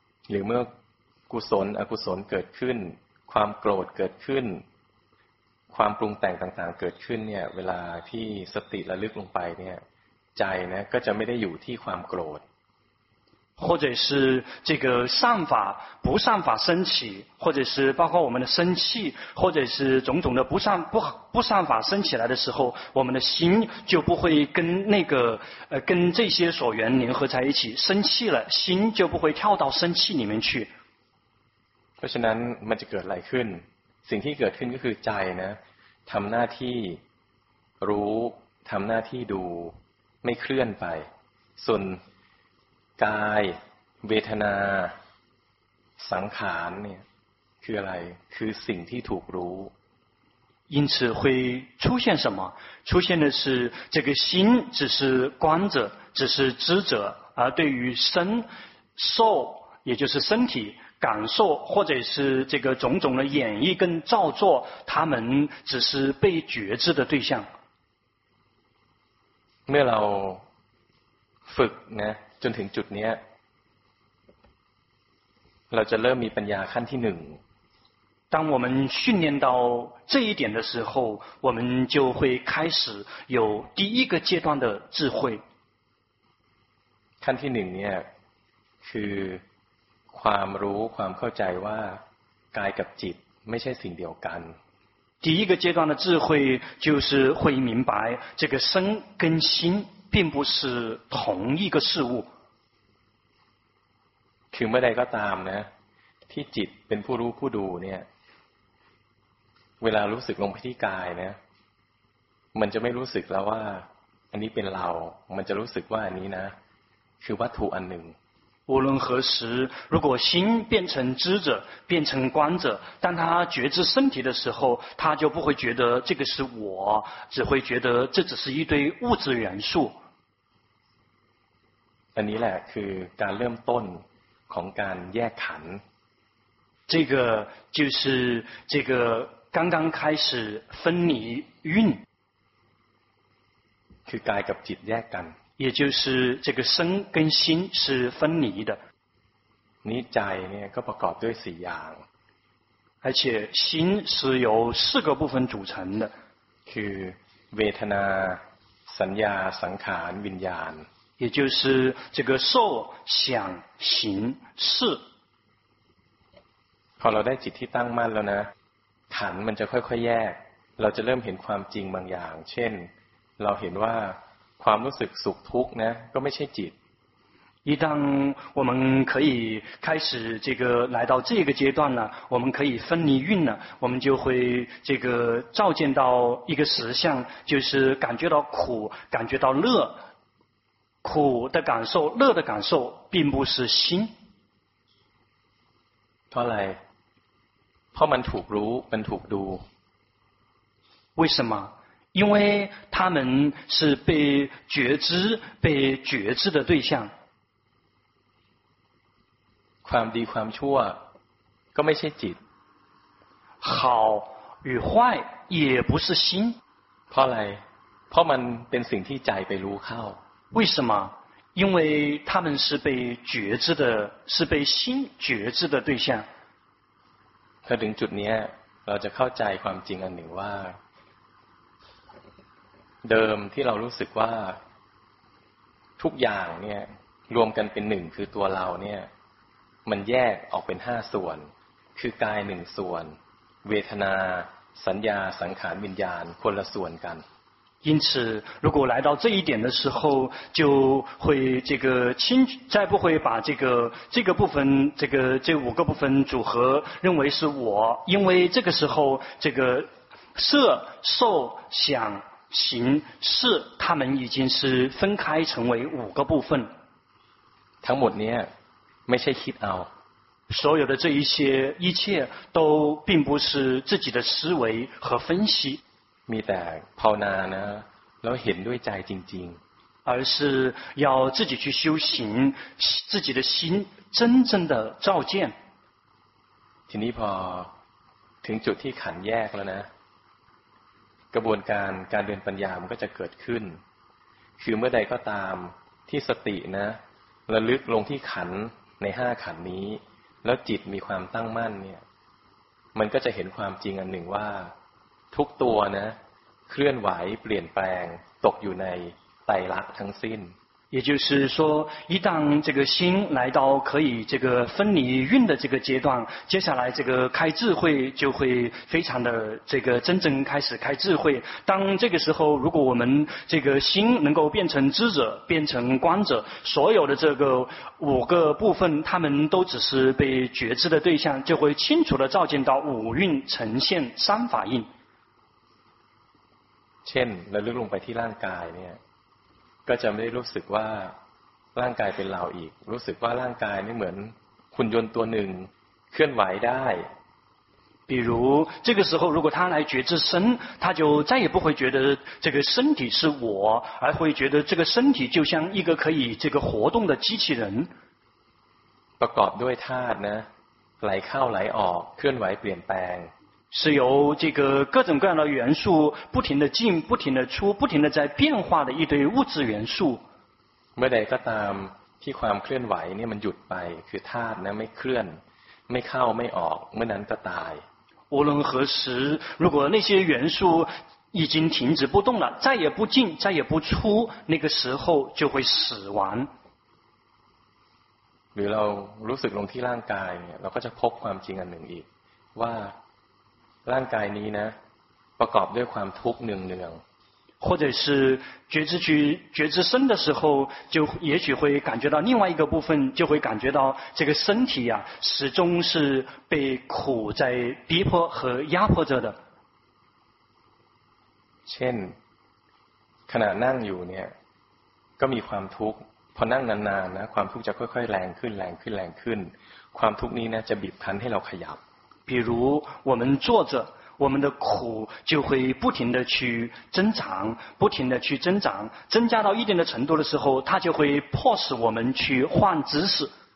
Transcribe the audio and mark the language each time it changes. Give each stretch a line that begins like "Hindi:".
Thai: หรือเมื่อกุศลอกุศลเกิดขึ้นความโกรธเกิดขึ้นความปรุงแต่งต่างๆเกิดขึ้นเนี่ยเวลาที่สติระลึกลงไปเนี่ยใจนะก็จะไม่ได้อยู่ที่ความโกรธ
Chinese: 或者是这个善法不善法升起或者是包括我们的生气或者是种种的不善法升起来的时候我们的心就不会跟那个跟这些所缘联合在一起生气了心就不会跳到生气里面去
Thai: เพราะฉะนั้นมันจะเกิดอะไรขึ้นสิ่งที่เกิดขึ้นก็คือใจนะทำหน้าที่รู้ทำหน้าที่ดูไม่เคลื่อนไปส่วนกายเวทนาสังขารเนี่ยคืออะไรคือสิ่งที่ถูกรู้
Chinese: 因此会出现什么出现的是这个心只是观者只是知者而对于身受也就是身体感受或者是这个种种的演绎跟造作他们只是被觉知的对象
Thai: เมื่อเราฝึกนะจนถึงจุดนี้เราจะเริ่มมีปัญญาขั้นที่หนึ่ง
Chinese: 当我们训练到这一点的时候我们就会开始有第一个阶段的智慧
Thai: ขั้นที่หนึ่งเนี่ยคือความรู้ความเข้าใจว่ากายกับจิตไม่ใช่สิ่งเดียวกัน
Chinese: 第一个阶段的智慧就是会明白这个身跟心并不是同一个事物
Thai: คือเมื่อใดก็ตามนะที่จิตเป็นผู้รู้ผู้ดูเนี่ยเวลารู้สึกลงไปที่กายนะมันจะไม่รู้สึกแล้วว่าอันนี้เป็นเรามันจะรู้สึกว่าอันนี้นะคือวัตถุอันหนึ่ง
Chinese: 无论何时如果心变成知者变成观者当他觉知身体的时候他就不会觉得这个是我只会觉得这只是一堆物质元素
Thai: อันนี้แหละคือการเริ่มต้นของการแยกขันธ์
Chinese: 这个就是这个刚刚开始分离运
Thai: คือกายกับจิตแยกกัน
Chinese: 也就是这个身跟心是分离的
Thai: นี่ใจเนี่ยก็ประกอบด้วยสี่อย่าง
Chinese: 而且心是由四个部分组成的
Thai: คือเวทนาสัญญาสังขารวิญญาณ
Chinese: 也就是这个受想行识
Thai: พอเราได้จิตที่ตั้งมั่นแล้วนะขันธ์มันจะค่อยๆแยกเราจะเริ่มเห็นความจริงบางอย่างเช่นเราเห็นว่า ความรู้สึกสุขทุกข์นะก็ไม่ใช่จิต
Chinese: 一旦我们可以开始这个来到这个阶段了我们可以分离蕴了我们就会这个照见到一个实相就是感觉到苦感觉到乐苦的感受乐的感受并不是心
Thai: เพราะอะไรเพราะมันถูกรู้มันถูกดู
Chinese: 为什么因为他们是被觉知被觉知的对象
Thai: ความดีความชั่วก็ไม่ใช่จิต
Chinese: 好与坏也不是心
Thai: เพราะอะไรเพราะมันเป็นสิ่งที่ใจไปรู้เข้า
Chinese: 为什么因为他们是被觉知的是被心觉知的对象
Thai: ถ้าถึงจุดนี้เราจะเข้าใจความจริงอันหนึ่งว่าเดิมที่เรารู้สึกว่าทุกอย่างเนี่ยรวมกันเป็นหนึ่งคือตัวเราเนี่ยมันแยกออกเป็นห้าส่วนคือกายหนึ่งส่วนเวทนาสัญญาสังขารวิญญาณคนละส่วนกัน
Chinese: 因此如果来到这一点的时候就会这个清再不会把这个部分这五个部分组合认为是我因为这个时候这个色受想行识他们已经是分开成为五个部分
Thai: ทั้งหมดเนี่ยไม่ใช่คิดเอา
Chinese: 所有的这一切都并不是自己的思维和分析
Thai: มีแต่ภาวนานะแล้วเห็นด้วยใจจริง
Chinese: ๆ而是要自己去修行自己的心真正的照见
Thai: ทีนี้พอถึงจุดที่ขันแยกแล้วนะกระบวนการเดินปัญญามันก็จะเกิดขึ้นคือเมื่อใดก็ตามที่สตินะระลึกลงที่ขันในห้าขันนี้แล้วจิตมีความตั้งมั่นเนี่ยมันก็จะเห็นความจริงอันหนึ่งว่าทุกตัวนะเคลื่อนไหวเปลี่ยนแปลงตกอยู่ในไตรลักษณ์ทั้งสิ้น
Chinese: 也就是说一旦这个心来到可以这个分离蕴的这个阶段接下来这个开智慧就会非常的这个真正开始开智慧当这个时候如果我们这个心能够变成知者变成观者所有的这个五个部分他们都只是被觉知的对象就会清楚地照见到五蕴呈现三法印
Thai: เช่นระลึกลงไปที่ร่างกายเนี่ยก็จะไม่ได้รู้สึกว่าร่างกายเป็นเราอีกรู้สึกว่าร่างกายไม่เหมือนหุ่นยนต์ตัวหนึ่งเคลื่อนไหวได้
Chinese: 比如这个时候如果他来觉知身他就再也不会觉得这个身体是我而会觉得这个身体就像一个可以这个活动的机器人
Thai: ประกอบด้วยธาตุนะไหลเข้าไหลออกเคลื่อนไหวเปลี่ยนแปลง
Chinese: 是由这个各种各样的元素不停的进不停的出不停的在变化的一堆物质元素
Thai: เมื่อใดก็ตามที่ความเคลื่อนไหวเนี่ยมันหยุดไปคือธาตุนะไม่เคลื่อนไม่เข้าไม่ออกเมื่อนั้นก็ตาย
Chinese: 无论何时如果那些元素已经停止不动了再也不进再也不出那个时候就会死亡
Thai: หรือเรารู้สึกลงที่ร่างกายเนี่ยเราก็จะพบความจริงอันหนึ่งอีกว่าร่างกายนี้นะประกอบด้วยความทุกข์เนือง
Chinese: ๆ或者是觉知去觉知身的时候就也许会感觉到另外一个部分就会感觉到这个身体啊始终是被苦在逼迫和压迫着的
Thai: เช่นขณะนั่งอยู่เนี่ยก็มีความทุกข์พอนั่งนานๆนะความทุกข์จะค่อยๆแรงขึ้นแรงขึ้นแรงขึ้นความทุกข์นี้นะจะบีบคั้นให้เราขยับ
Chinese: 比如我们坐着我们的苦就会不停地去增长不停地去增长增加到一定的程度的时候它就会迫使我们去换姿势